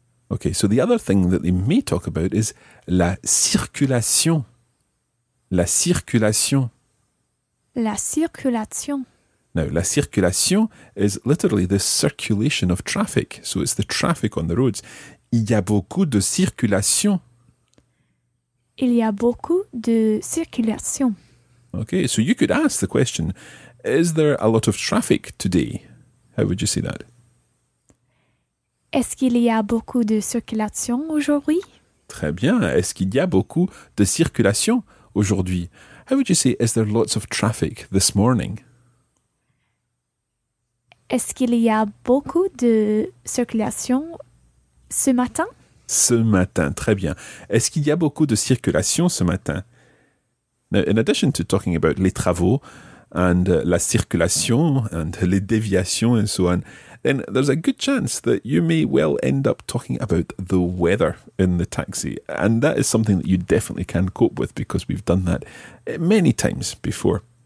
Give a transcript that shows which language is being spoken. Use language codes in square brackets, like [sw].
[en] Okay, so the other thing that they may talk about is la circulation. [fr] La circulation. La circulation. [en] Now, la circulation is literally the circulation of traffic. So it's the traffic on the roads. [fr] Il y a beaucoup de circulation. Il y a beaucoup de circulation. [en] Okay, so you could ask the question, is there a lot of traffic today? How would you say that? [fr] Est-ce qu'il y a beaucoup de circulation aujourd'hui? Très bien. Est-ce qu'il y a beaucoup de circulation aujourd'hui? [en] How would you say, is there lots of traffic this morning? [fr] Est-ce qu'il y a beaucoup de circulation ce matin? Ce matin. Très bien. Est-ce qu'il y a beaucoup de circulation ce matin? [en] Now, in addition to talking about les travaux and la circulation and les déviations and so on, then there's a good chance that you may well end up talking about the weather in the taxi. And that is something that you definitely can cope with because we've done that many times before.